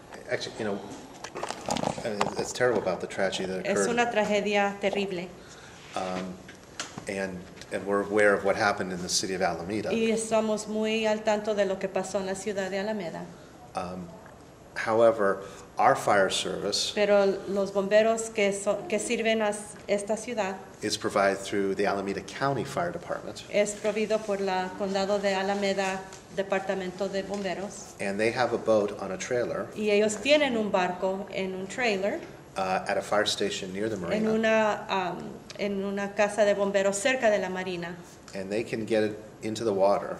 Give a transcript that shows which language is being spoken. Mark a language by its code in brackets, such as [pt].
[en] Actually, you know, it's terrible about the tragedy that occurred. [es] Es una tragedia terrible. [en] And we're aware of what happened in the city of Alameda. [es] Y estamos muy al tanto de lo que pasó en la ciudad de Alameda. [en] However, our fire service. [es] Pero los bomberos que sirven a esta ciudad. [en] Is provided through the Alameda County Fire Department. [es] Es provido por la condado de Alameda. Departamento de Bomberos. [en] And they have a boat on a trailer. [es] Y ellos tienen un barco en un trailer. [en] At a fire station near the marina. [es] En una casa de bomberos cerca de la marina. [en] And they can get it into the water.